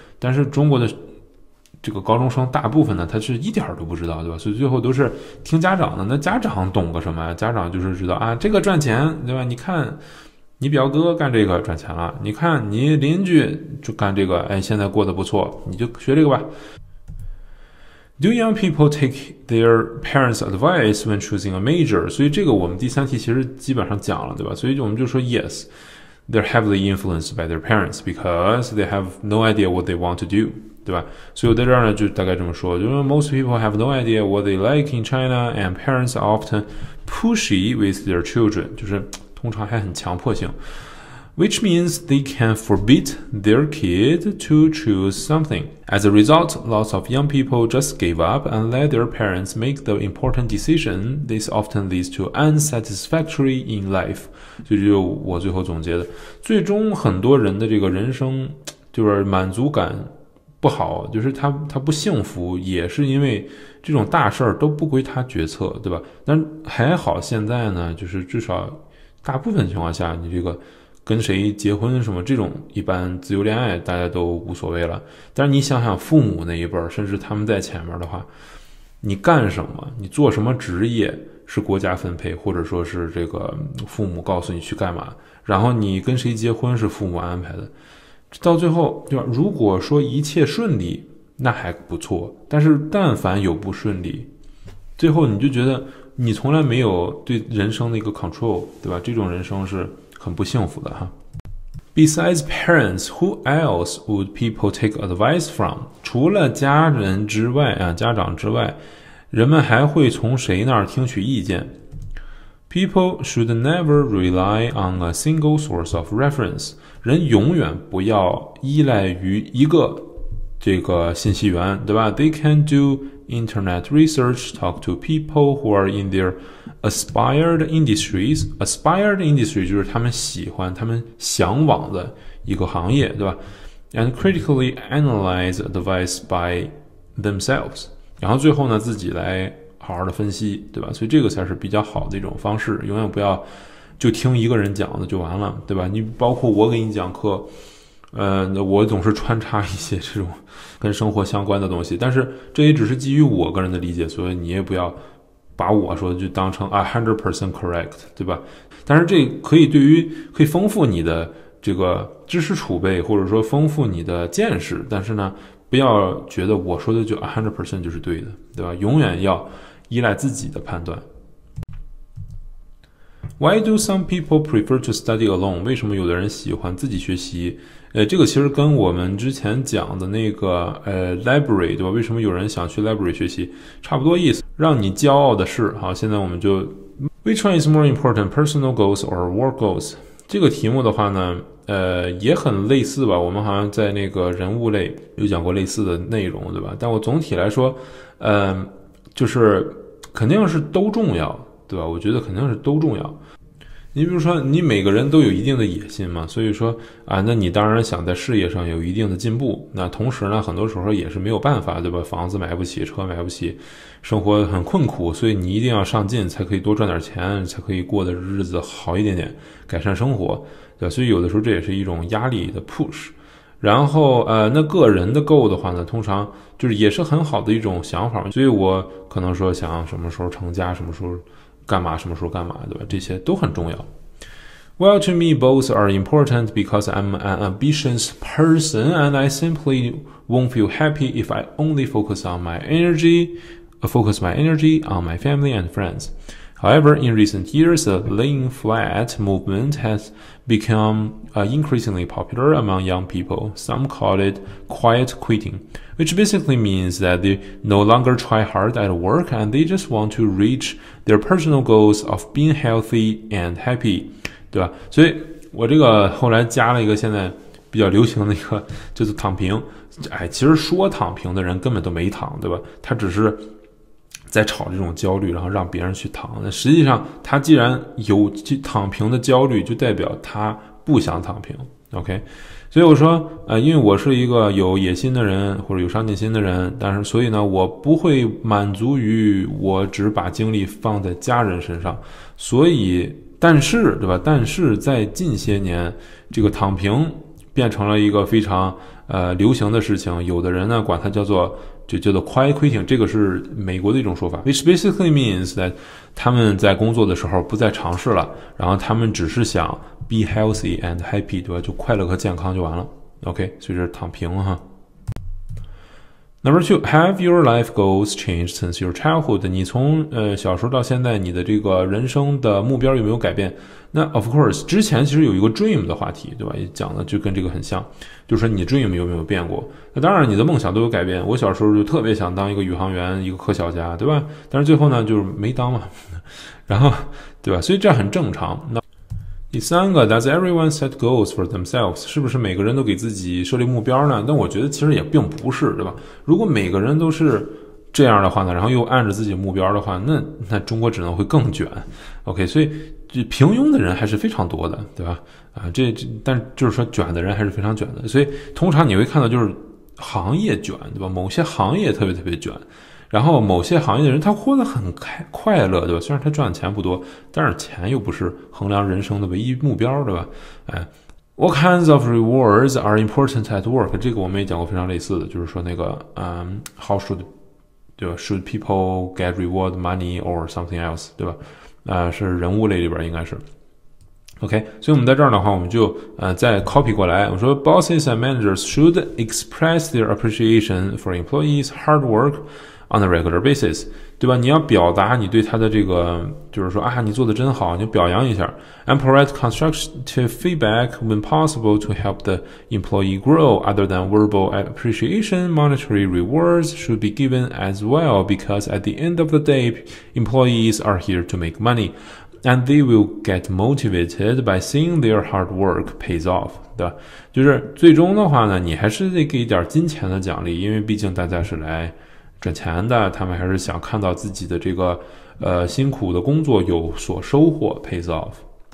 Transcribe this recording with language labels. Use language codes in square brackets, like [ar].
[zh] 但是中国的这个高中生大部分呢，他是一点都不知道，对吧？所以最后都是听家长的。那家长懂个什么呀？家长就是知道啊，这个赚钱，对吧？你看你表哥干这个赚钱了，你看你邻居就干这个，哎，现在过得不错，你就学这个吧。 [en] Do young people take their parents' advice when choosing a major? [zh] 所以这个我们第三题其实基本上讲了，对吧？所以我们就说 [en] yes, they're heavily influenced by their parents because they have no idea what they want to do. [zh] 对吧？所以我在这儿呢，就大概这么说，就是 [en] most people have no idea what they like in China, and parents are often pushy with their children， [zh] 就是通常还很强迫性 [en] ，which means they can forbid their kid to choose something. As a result, lots of young people just gave up and let their parents make the important decision. This often leads to unsatisfactory in life. [zh] 所以就是我最后总结的，最终很多人的这个人生就是满足感。不好，就是他不幸福，也是因为这种大事儿都不归他决策，对吧？但还好现在呢，就是至少大部分情况下，你这个跟谁结婚什么这种，一般自由恋爱大家都无所谓了。但是你想想父母那一辈儿，甚至他们在前面的话，你干什么，你做什么职业是国家分配，或者说是这个父母告诉你去干嘛，然后你跟谁结婚是父母安排的。到最后，对吧？如果说一切顺利，那还不错。但是，但凡有不顺利，最后你就觉得你从来没有对人生的一个 control， 对吧？这种人生是很不幸福的哈。 [en] Besides parents, who else would people take advice from？ [zh] 除了家人之外啊，家长之外，人们还会从谁那儿听取意见？ [en] People should never rely on a single source of reference. [zh] 人永远不要依赖于一个这个信息源，对吧？ [en] They can do internet research, talk to people who are in their aspired industries. Aspired industry [zh] 就是他们喜欢、他们向往的一个行业，对吧？ [en] And critically analyze advice by themselves. [zh] 然后最后呢，自己来好好的分析，对吧？所以这个才是比较好的一种方式，永远不要就听一个人讲的就完了，对吧？你包括我给你讲课，我总是穿插一些这种跟生活相关的东西，但是这也只是基于我个人的理解，所以你也不要把我说的就当成 100% correct， 对吧？但是这可以对于可以丰富你的这个知识储备，或者说丰富你的见识，但是呢不要觉得我说的就 100% 就是对的，对吧？永远要依赖自己的判断。 [en] Why do some people prefer to study alone? [zh] 为什么有的人喜欢自己学习？这个其实跟我们之前讲的那个library, 对吧？为什么有人想去 library 学习差不多意思，让你骄傲的事。好，现在我们就 [en] Which one is more important, personal goals or work goals? [zh] 这个题目的话呢也很类似吧，我们好像在那个人物类有讲过类似的内容，对吧？但我总体来说就是肯定是都重要，对吧？我觉得肯定是都重要。你比如说你每个人都有一定的野心嘛，所以说啊，那你当然想在事业上有一定的进步，那同时呢很多时候也是没有办法，对吧？房子买不起，车买不起，生活很困苦，所以你一定要上进才可以多赚点钱，才可以过的日子好一点点，改善生活，对吧？所以有的时候这也是一种压力的 push。然后那个人的 goal 的话呢，通常就是也是很好的一种想法，所以我可能说想什么时候成家，什么时候干嘛，什么时候干嘛，对吧？这些都很重要。 [en] Well, to me, both are important because I'm an ambitious person and I simply won't feel happy if I only focus on my energy, focus my energy on my family and friends. However, in recent years, the laying flat movement has become increasingly popular among young people. Some call it quiet quitting, which basically means that they no longer try hard at work and they just want to reach their personal goals of being healthy and happy, 对吧？ [zh] 所以我这个后来加了一个现在比较流行的一个就是躺平。哎，其实说躺平的人根本都没躺，对吧？他只是在吵这种焦虑，然后让别人去躺。那实际上他既然有躺平的焦虑，就代表他不想躺平。 OK， 所以我说因为我是一个有野心的人或者有上进心的人，但是所以呢我不会满足于我只把精力放在家人身上。所以但是，对吧？但是在近些年这个躺平变成了一个非常流行的事情，有的人呢管它叫做就叫做 quiet quitting， 这个是美国的一种说法， [en] which basically means that [zh] 他们在工作的时候不再尝试了，然后他们只是想 [en] be healthy and happy， [zh] 对吧？就快乐和健康就完了。OK， 所以这是躺平哈。 [en] Number two, have your life goals changed since your childhood? [zh] 你从小时候到现在，你的这个人生的目标有没有改变？那 of course， 之前其实有一个 dream 的话题，对吧？讲的就跟这个很像，就是说你 dream 有没有变过？那当然，你的梦想都有改变。我小时候就特别想当一个宇航员，一个科小家，对吧？但是最后呢，就是没当嘛，然后，对吧？所以这很正常。那第三个 [en] ，Does everyone set goals for themselves？ [zh] 是不是每个人都给自己设立目标呢？但我觉得其实也并不是，对吧？如果每个人都是这样的话呢，然后又按着自己目标的话，那中国只能会更卷。 OK， 所以这平庸的人还是非常多的，对吧？但就是说卷的人还是非常卷的。所以通常你会看到就是行业卷，对吧？某些行业特别特别卷，然后某些行业的人他活得很快乐，对吧？虽然他赚的钱不多，但是钱又不是衡量人生的唯一目标，对吧？ [en] What kinds of rewards are important at work？ [zh] 这个我们也讲过非常类似的，就是说那个 [en] how should should people get reward money or something else， [zh] 对吧？是人物类里边应该是。OK， 所以我们在这儿的话，我们就再 copy 过来。我说 ， [en] bosses and managers should express their appreciation for employees' hard work on a regular basis， 对吧？ [zh] 你要表达你对他的这个，就是说啊，你做的真好，你表扬一下。 [en] And provide constructive feedback when possible to help the employee grow. Other than verbal appreciation, monetary rewards should be given as well, because at the end of the day, employees are here to make money. And they will get motivated by seeing their hard work pays off， 对吧？ [zh] 就是最终的话呢，你还是得给一点金钱的奖励，因为毕竟大家是来赚钱的，他们还是想看到自己的这个辛苦的工作有所收获 pays off。